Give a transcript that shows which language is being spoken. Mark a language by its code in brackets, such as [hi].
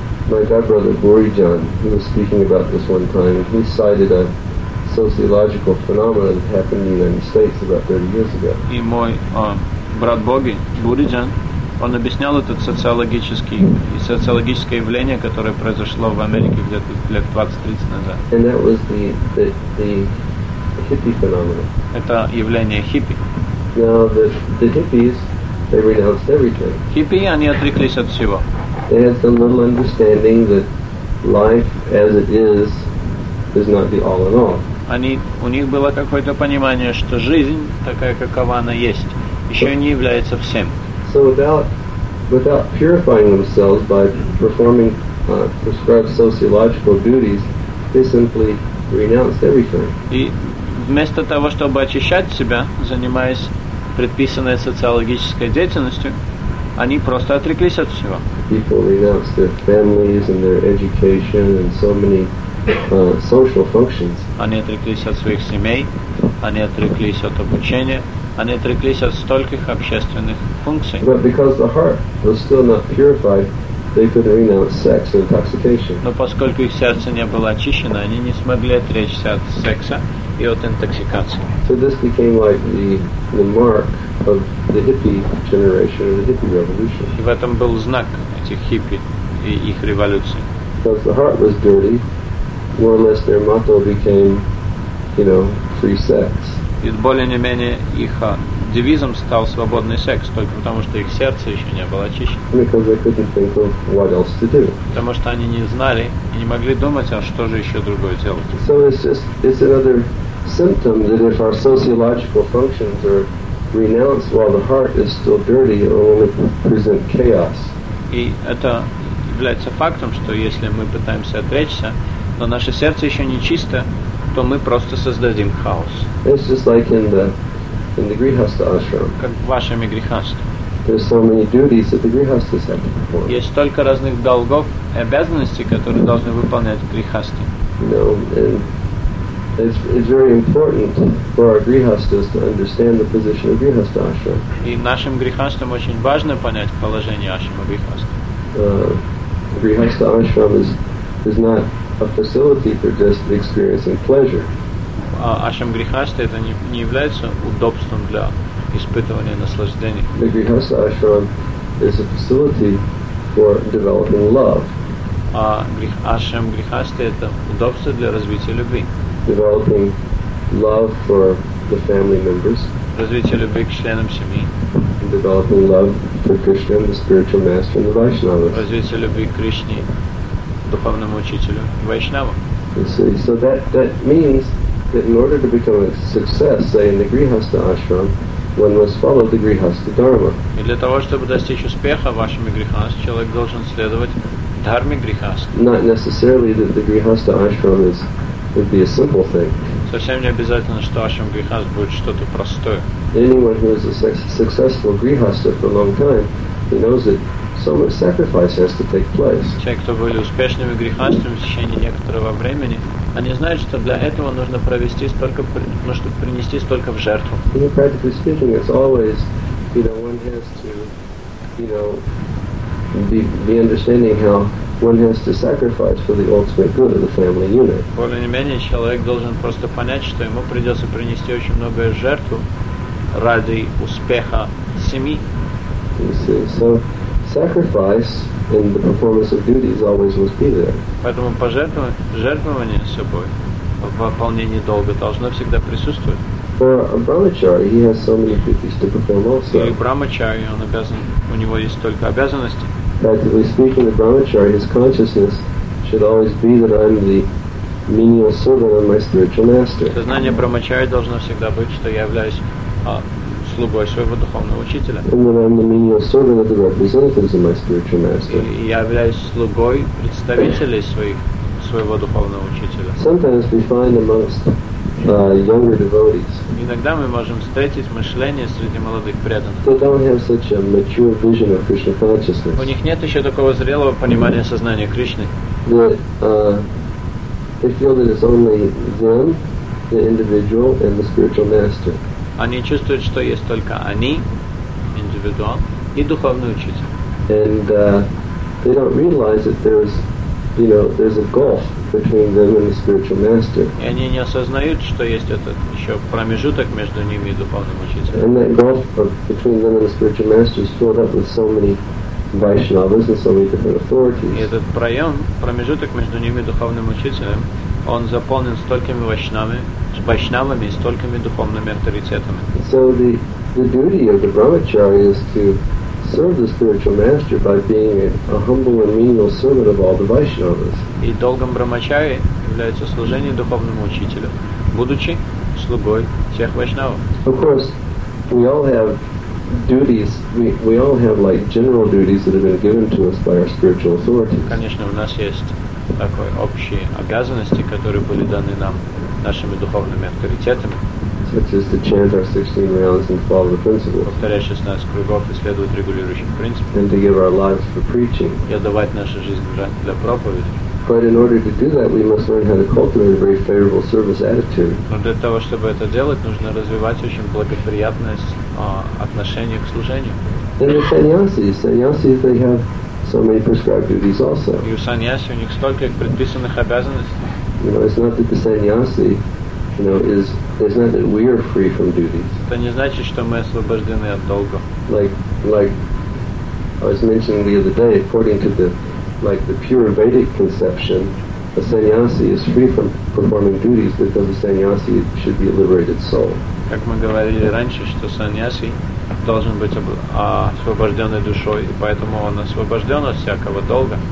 [en] My dad brother Gorijan, he was speaking about this one time, and he cited a sociological phenomenon that happened in the United States about 30 years ago. [ru] И мой брат Боги Гориджан, он объяснял это социологическое явление, которое произошло в Америке где-то лет 20-30 назад. [en] And that was the hippie phenomenon. [ru] Это явление хиппи. [en] Now the hippies, they renounced everything. [ru] Хиппи, они отреклись от всего. [en] They had some little understanding that life as it is not the all in all. [ru] У них было какое-то понимание, что жизнь, такая, какова она есть, еще не является всем. [en] So without purifying themselves by performing prescribed sociological duties, they simply renounced everything. [ru] И вместо того, чтобы очищать себя, занимаясь предписанной социологической деятельностью, они просто отреклись от всего. [en] People renounced their families and their education and so many social functions. [ru] Они отреклись от своих семей, они отреклись от обучения, они отреклись от стольких общественных функций. [en] But because the heart was still not purified, they couldn't renounce sex and intoxication. [ru] Но поскольку их сердце не было очищено, они не смогли отречься от секса и от интоксикации. [en] So this became like the mark of the hippie generation or the hippie revolution. [ru] И в этом был знак этих хиппи и их революции. [en] Because the heart was dirty, more or less their motto became, you know, free sex. [ru] И более-менее их девизом стал свободный секс, только потому, что их сердце еще не было очищено. Потому что они не знали и не могли думать, а что же еще другое делать. [en] So it's another symptom that if our sociological functions are renounced while the heart is still dirty, it will only present chaos. [ru] И это является фактом, что если мы пытаемся отречься, но наше сердце еще не чисто, то мы просто создадим хаос. [en] It's just like in the grihastha ashram. [ru] Как в вашем грихастхе. [en] There's so many duties that the grihasthas have to perform. [ru] Есть столько разных долгов и обязанностей, которые должны выполнять грихастхи. [en] It's very important for our grihasthas to understand the position of grihastha ashram. [ru] И нашим грихастам очень важно понять положение ашрама грихастхи. [en] Grihastha ashram is not a facility for just experiencing pleasure. [ru] Ашрам грихастхи это не является удобством для испытывания наслаждений. [en] The grihastha ashram is a facility for developing love. [ru] Ашрам грихастхи это удобство для развития любви. [en] Developing love for the family members. [ru] Развитие любви к членам семьи. [en] Developing love for Krishna, the spiritual master, and the Vaishnavas. [ru] Развитие любви к Кришне, духовному учителю, Вайшнава. [en] So that means that in order to become a success, say in the Grihastha ashram, one must follow the Grihastha dharma. [ru] И для того чтобы достичь успеха в вашем грихастхе, человек должен следовать дхарме грихастхи. [en] Not necessarily that the Grihastha ashram is would be a simple thing. [ru] Совсем не обязательно, что ашрам грихаст будет что-то простое. [en] Anyone who is a successful grihastha for a long time, he knows that so much sacrifice has to take place. [ru] Человек, кто был успешным грихастом в течение некоторого времени, они знают, что для этого нужно принести столько в жертву. [en] Practically speaking, it's always, one has to, be understanding how one has to sacrifice for the ultimate good of the family unit. [ru] Более или менее человек должен просто понять, что ему придется принести очень многое жертву ради успеха семьи. [en] So sacrifice in the performance of duties always must be there. [ru] Поэтому жертвование собой в выполнении долга должно всегда присутствовать. [en] For a brahmachari, he has so many duties to perform also. [ru] И брахмачари, он обязан, у него есть столько обязанностей. [en] Practically speaking, the brahmachari, his consciousness should always be that I'm the menial servant of my spiritual master. [ru] Сознание брахмачари должно всегда быть, что я являюсь слугой своего духовного учителя. [en] And that I'm the menial servant of the representatives of my spiritual master. [ru] И я являюсь слугой представителей своего духовного учителя. [en] Sometimes we find amongst younger devotees. [ru] Иногда мы можем встретить мышление среди молодых преданных. [en] They don't have such a mature vision of Krishna consciousness. [ru] У них нет еще такого зрелого понимания сознания Кришны. [en] They feel that it's only them, the individual, and the spiritual master. [ru] Они чувствуют, что есть только они, индивидуал, и духовный учитель. [en] And they don't realize that there's, there's a gulf between them and the spiritual master. [ru] И они не осознают, что есть этот еще промежуток между ними и духовным учителем. [en] And that gulf between them and the spiritual master is filled up with so many Vaishnavas and so many different authorities. [ru] И этот промежуток между ними и духовным учителем, он заполнен столькими вайшнавами и столькими духовными авторитетами. [en] So the duty of the brahmachari is to serve the spiritual master by being a humble and menial servant of all the Vaishnavas. [ru] И долгом брахмачари является служение духовному учителю, будучи слугой всех вайшнавов. [en] Of course, we all have duties. We all have general duties that have been given to us by our spiritual authorities. [ru] Конечно, у нас есть такой общие обязанности, которые были даны нам нашими духовными авторитетами. [en] Such as to chant our 16 rounds and follow the principles. [ru] Повторять 16 кругов и следовать регулирующим принципам. [en] And to give our lives for preaching. [ru] И отдавать нашу жизнь для проповеди. [en] But in order to do that, we must learn how to cultivate a very favorable service attitude. [ru] Но для того, чтобы это делать, нужно развивать очень благоприятное отношение к служению. [en] And the sannyasis, they have so many prescribed duties also. [ru] И у саньяси у них столько предписанных обязанностей. [en] It's not that the sannyasi, it's not that we are free from duties. [ru] Это не значит, что мы освобождены от долга. [en] Like I was mentioning the other day, according to the pure Vedic conception, a sannyasi is free from performing duties because a sannyasi should be a liberated soul. [ru] Как мы говорили раньше, что саньяси должен быть освобожденной душой, и поэтому он освобожден от всякого долга.